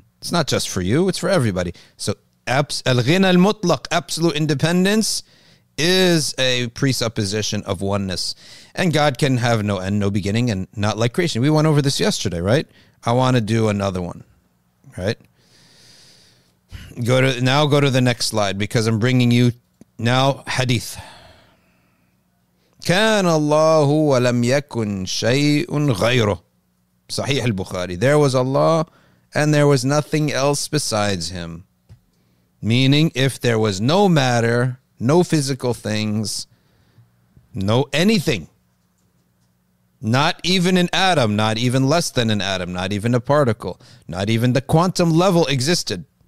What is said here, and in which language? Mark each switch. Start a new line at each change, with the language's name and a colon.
English: It's not just for you, it's for everybody. So al-ghina al-mutlaq, absolute independence, is a presupposition of oneness. And God can have no end, no beginning, and not like creation. We went over this yesterday, right? I want to do another one, right? Go to the next slide, because I'm bringing you now hadith.
Arabic: كَانَ اللَّهُ وَلَمْ يَكُنْ شَيْءٌ غَيْرُهُ صحيح البخاري.
English: There was Allah and there was nothing else besides him. Meaning, if there was no matter, no physical things, no anything, not even an atom, not even less than an atom, not even a particle, not even the quantum level existed.